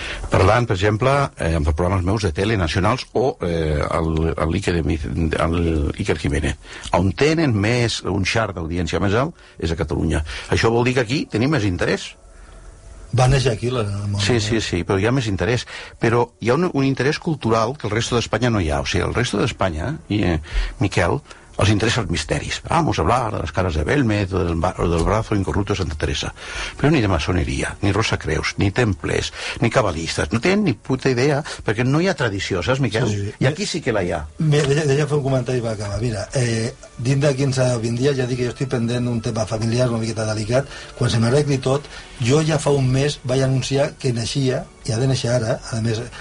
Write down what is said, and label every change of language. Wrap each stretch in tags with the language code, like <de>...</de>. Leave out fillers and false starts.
<ca>Parlant, per exemple, amb els programes meus de tele nacionals o l'Iker Jiménez, on tenen més un xar d'audiència més alt és a Catalunya. Això vol dir que aquí tenim més interès. Va néixer aquí, la... Sí, sí, sí, però hi ha més interès. Però hi ha un interès cultural que el resto d'Espanya no hi ha. O sigui, el resto d'Espanya, Miquel, els interessa els misteris.</ca> <es>Vamos a hablar de</es> <ca>les cares</ca> <es>de Belmed, del brazo incorrupto de Santa Teresa.</es> <ca>Però ni de maçoneria, ni Rosa Creus, ni temples, ni cabalistes. No tenen ni puta idea, perquè no hi ha tradició, saps, Miquel? Sí, sí. I aquí sí que la hi ha. Deixa fer un comentari per acabar. Mira, dins de 15 o 20 dies, ja dic que jo estic pendent d'un tema familiar una miqueta delicat. Quan se m'arregli tot, jo ja fa un mes vaig anunciar que naixia, i ha de néixer ara, a més...</ca>